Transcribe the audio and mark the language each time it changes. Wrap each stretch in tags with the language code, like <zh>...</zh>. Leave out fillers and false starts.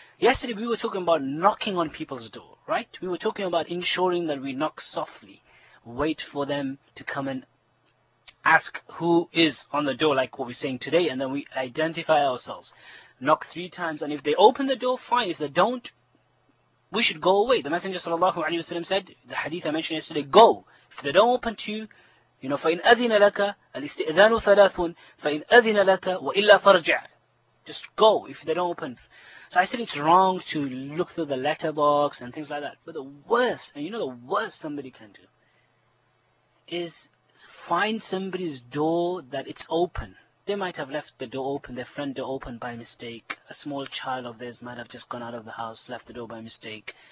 <en>Yesterday we were talking about knocking on people's door, right? We were talking about ensuring that we knock softly, wait for them to come and ask who is on the door, like what we're saying today, and then we identify ourselves. Knock 3 times, and if they open the door, fine. If they don't, we should go away. The Messenger sallallahu alayhi wa sallam said, the hadith I mentioned yesterday, go. If they don't open to you, you know,</en> <ar>فَإِنْ أَذِنَ لَكَ الْإِسْتِئْذَانُ ثَلَاثٌ فَإِنْ أَذِنَ لَكَ وَإِلَّا فَرْجَعَ.</ar> <en>Just go if they don't open. So I said it's wrong to look through the letterbox and things like that. But the worst, and you know the worst somebody can do, is find somebody's door that it's open. They might have left the door open, their front door open by mistake. A small child of theirs might have just gone out of the house, left the door by mistake.</en>